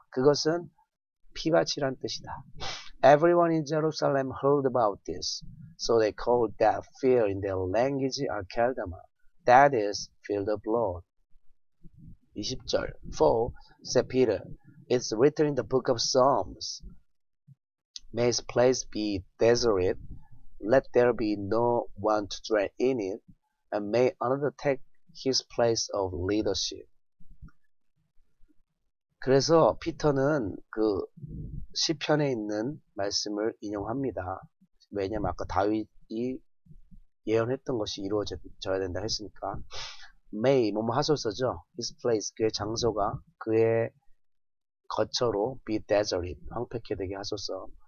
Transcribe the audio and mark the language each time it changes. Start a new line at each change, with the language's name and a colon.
Korean: 그것은 피밭이란 뜻이다.
English: Everyone in Jerusalem heard about this. So they called that field in their language Akeldama. That is field of blood. 20절, for, said Peter, it's written in the book of Psalms, may his place be desolate, let there be no one to dwell in it, and may another take his place of leadership.
Korean: 그래서 피터는 그 시편에 있는 말씀을 인용합니다. 왜냐면 아까 다윗이 예언했던 것이 이루어져야 된다 했으니까. May, 뭐뭐 하소서죠. His place, 그의 장소가 그의 거처로 be desolate, 황폐케 되게 하소서.